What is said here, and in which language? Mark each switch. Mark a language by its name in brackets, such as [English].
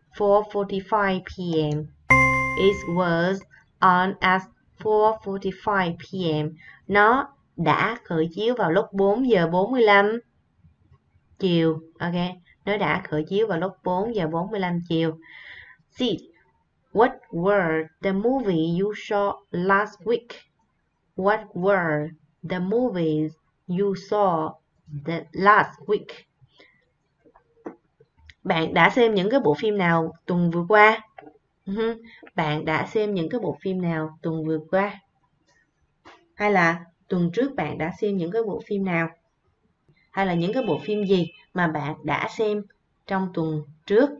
[English] 4:45 p.m. It was on at 4:45 p.m. [Vietnamese] Nó đã khởi chiếu vào lúc 4:45 chiều. Okay? Nó đã khởi chiếu vào lúc 4:45 chiều. [English] Sit. What were the movie you saw last week? What were the movies you saw the last week? [Vietnamese] Bạn đã xem những cái bộ phim nào tuần vừa qua? Bạn đã xem những cái bộ phim nào tuần vừa qua? Hay là tuần trước bạn đã xem những cái bộ phim nào? Hay là những cái bộ phim gì mà bạn đã xem trong tuần trước?